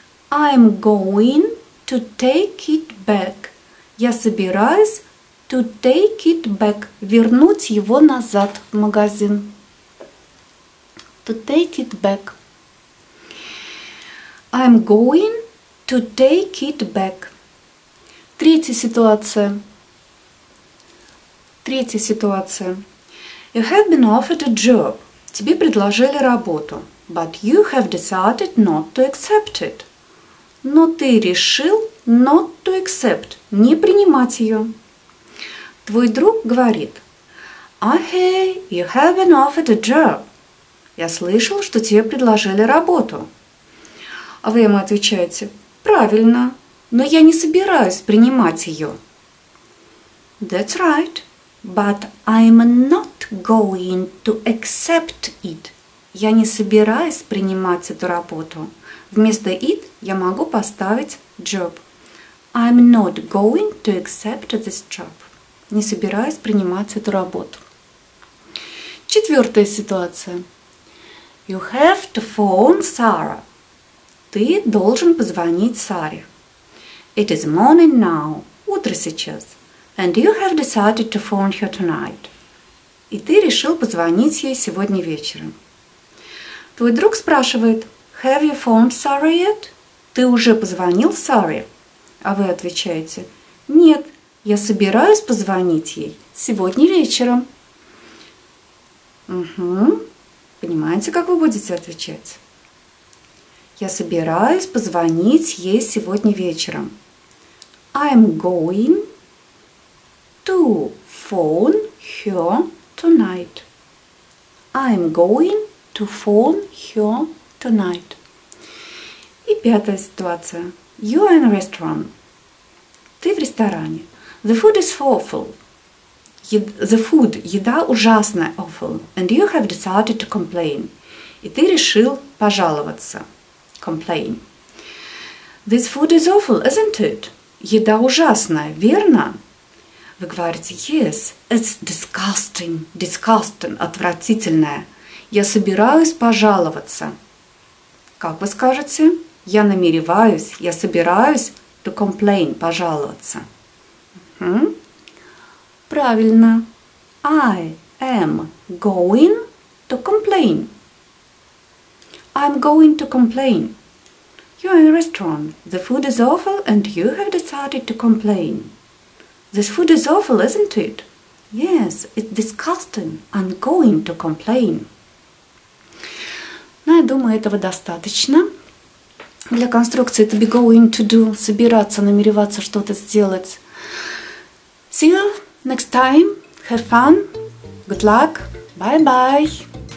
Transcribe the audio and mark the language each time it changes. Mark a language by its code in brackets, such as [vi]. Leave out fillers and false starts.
[en] I'm going to take it back. [ru] Я собираюсь [en] to take it back. [ru] Вернуть его назад в магазин. [en] To take it back. I'm going to take it back. [ru] Третья ситуация. [en] You have been offered a job. [ru] Тебе предложили работу. [en] But you have decided not to accept it. [ru] Но ты решил [en] not to accept, [ru] не принимать ее. Твой друг говорит, [en] hey, you have been offered a job. [ru] Я слышал, что тебе предложили работу. А вы ему отвечаете, правильно, но я не собираюсь принимать ее. [en] That's right, but I'm not going to accept it. [ru] Я не собираюсь принимать эту работу. Вместо it я могу поставить job. [en] I'm not going to accept this job. [ru] Не собираюсь принимать эту работу. Четвертая ситуация. [en] You have to phone Sarah. [ru] Ты должен позвонить Саре. [en] It is morning now. [ru] Утро сейчас. [en] And you have decided to phone her tonight. [ru] И ты решил позвонить ей сегодня вечером. Твой друг спрашивает, [en] have you phoned Sarah yet? [ru] Ты уже позвонил Саре? А вы отвечаете, нет, я собираюсь позвонить ей сегодня вечером. Угу. Понимаете, как вы будете отвечать? Я собираюсь позвонить ей сегодня вечером. [en] I'm going to phone her tonight. I'm going to phone her tonight. [ru] И пятая ситуация. [en] You are in a restaurant. [ru] Ты в ресторане. [en] The food is awful. [ru] Еда ужасная, awful. [en] And you have decided to complain. [ru] И ты решил пожаловаться. [en] Complain. This food is awful, isn't it? [ru] Еда ужасная, верно? Вы говорите, [en] yes, it's disgusting. [ru] Disgusting, отвратительная. Я собираюсь пожаловаться. Как вы скажете? Я намереваюсь, я собираюсь [en] to complain, [ru] пожаловаться. Правильно. [en] I am going to complain. I'm going to complain. You're in a restaurant. The food is awful and you have decided to complain. This food is awful, isn't it? Yes, it's disgusting. I'm going to complain. [ru] Ну, я думаю, этого достаточно. Для конструкции [en] to be going to do, [ru] собираться, намереваться что-то сделать. [en] See you next time. Have fun. Good luck. Bye-bye.